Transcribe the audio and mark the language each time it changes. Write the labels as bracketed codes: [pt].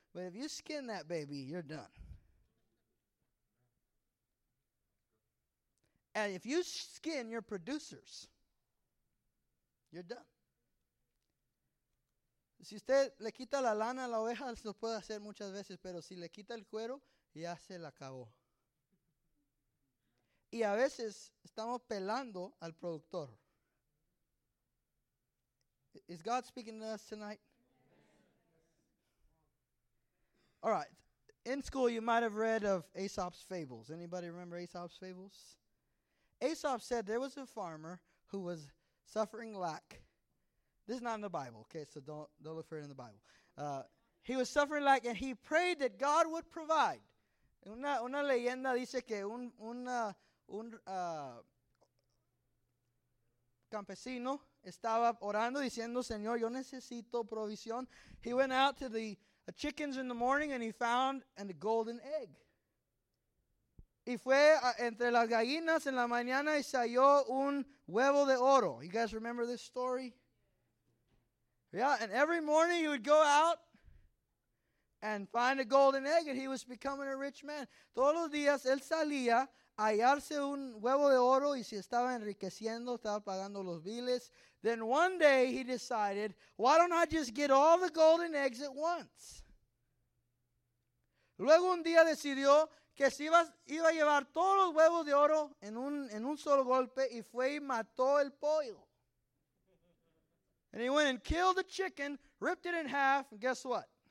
[en] But if you skin that baby, you're done. And if you skin your producers, you're done. [es] Si usted le quita la lana a la oveja, se lo puede hacer muchas veces, pero si le quita el cuero, ya se la acabó. Y a veces estamos pelando al productor. [en] Is God speaking to us tonight? All right. In school, you might have read of Aesop's Fables. Anybody remember Aesop's Fables? Aesop said there was a farmer who was suffering lack. This is not in the Bible, okay, so don't look for it in the Bible. He was suffering lack, and he prayed that God would provide. [es] Una leyenda dice que un campesino estaba orando diciendo, Señor, yo necesito provisión. [en] He went out to the chickens in the morning, and he found a golden egg. [es] Y fue entre las gallinas en la mañana y salió un huevo de oro. [en] You guys remember this story? Yeah, and every morning he would go out and find a golden egg, and he was becoming a rich man. [es] Todos los días él salía a hallarse un huevo de oro y se estaba enriqueciendo, estaba pagando los biles. [en] Then one day he decided, why don't I just get all the golden eggs at once? [es] Luego un día decidió que se iba a llevar todos los huevos de oro en un solo golpe y fue y mató el pollo. [en] And he went and killed the chicken, ripped it in half, and guess what?